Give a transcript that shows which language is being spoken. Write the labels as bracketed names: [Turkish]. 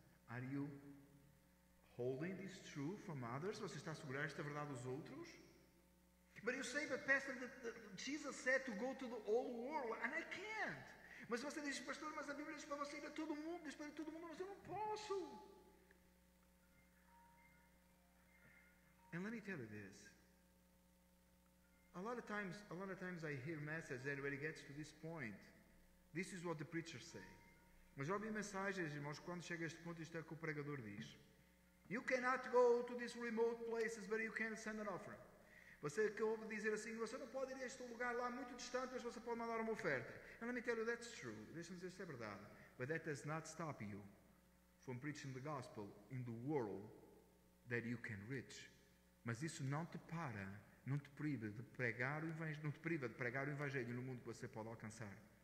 [English] Are you holding this true from others? [Portuguese] Você está a segurar esta verdade dos outros? [English] But you say, but Pastor, Jesus said to go to the whole world, and I can't. [Portuguese] Mas você diz, pastor, mas a Bíblia diz para você ir a todo mundo, diz para todo mundo, mas eu não posso. [English] And let me tell you this. A lot of times I hear messages that when it gets to this point, this is what the preachers say. [Portuguese] Mas já ouvi mensagens, irmãos, quando chega a este ponto, isto é o que o pregador diz. [English] You cannot go to these remote places, but you can send an offering. [Portuguese] Você que ouve dizer assim, você não pode ir a este lugar lá muito distante, mas você pode mandar uma oferta. [English] And let me tell you, that's true. [Portuguese] Deixa-me dizer, isso é verdade. [English] But that does not stop you from preaching the gospel in the world that you can reach. [Portuguese] Mas isso não te para, não te priva de pregar o evangelho, não te priva de pregar o evangelho no mundo que você pode alcançar.